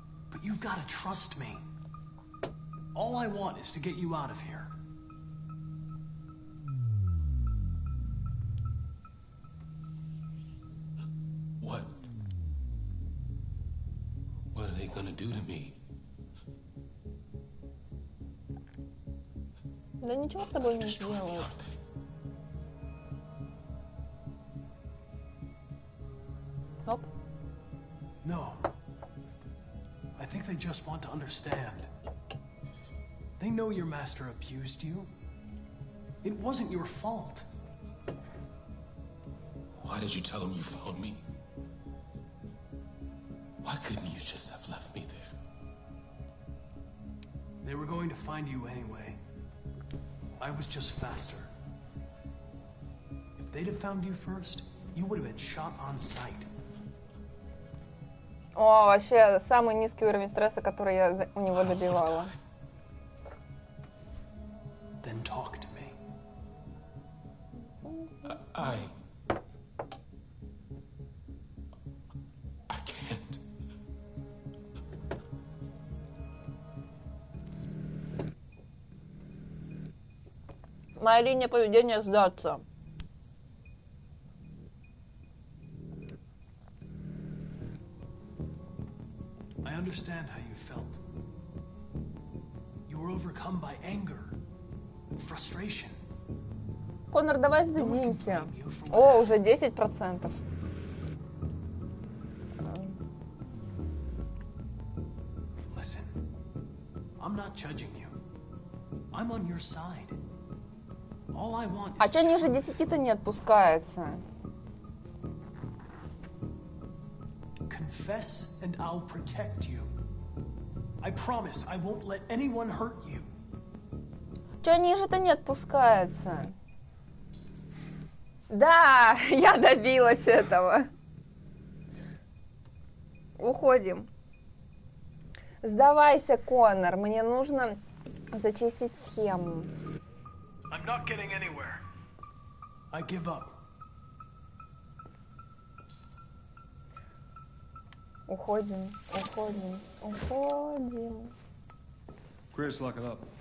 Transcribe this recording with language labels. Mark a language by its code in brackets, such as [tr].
[en] But you've got to trust me. All I want is to get you out of here. What? What are they gonna do to me? [ru] Да ничего с тобой не сделают. Оп. [en] No. I think they just want to understand. They know your master abused you. It wasn't your fault. Why did you tell him you found me? Why couldn't you just have left me there? They were going to find you anyway. I was just faster. If they'd have found you first, you would have been shot on sight. [ru] О, вообще самый низкий уровень стресса, который я у него добивала. [en] Then talk to me. I can't. [ru] Моя линия поведения — сдаться. [en] I understand how you felt. You were overcome by anger and frustration. [ru] Коннор, давай сдадимся. О, уже 10%. [en] Listen, I'm not judging you. I'm on your side. All I want is. [ru] А что ниже 10-то не отпускается? [en] Confess and I'll protect you. I promise I won't let anyone hurt you. [ru] Что ниже-то не отпускается? Да, я добилась этого. Уходим. Сдавайся, Коннор. Мне нужно зачистить схему. [en] I'm not getting anywhere. I give up. [ru] Уходим, уходим, уходим. [en] Крис, lock it up.